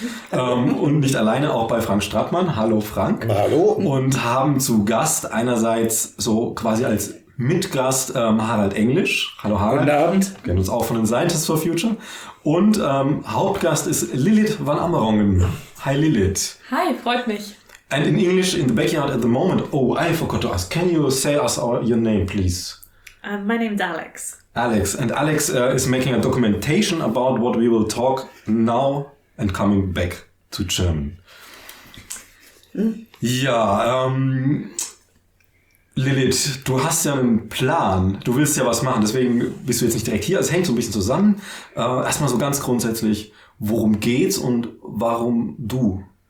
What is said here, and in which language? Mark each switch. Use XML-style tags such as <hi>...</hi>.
<de>Und nicht alleine, auch bei Frank Strattmann. Hallo Frank. Hallo. Und haben zu Gast einerseits so quasi als Mitgast Harald Englisch. Hallo Harald. Guten Abend. Wir kennen uns auch von den Scientists for Future. Und Hauptgast ist Lilith van Amerongen. Hi Lilith. Hi, freut mich.</de> <en>And in English, in the backyard at the moment. Oh, I forgot to ask. Can you say us your name, please? My name is Alex. Alex. And Alex is making a documentation about what we will talk now and coming back to German.</en> <de>Ja, Lilith, du hast ja einen Plan. Du willst ja was machen. Deswegen bist du jetzt nicht direkt hier. Es hängt so ein bisschen zusammen. Erstmal so ganz grundsätzlich, worum geht's und warum du?</de>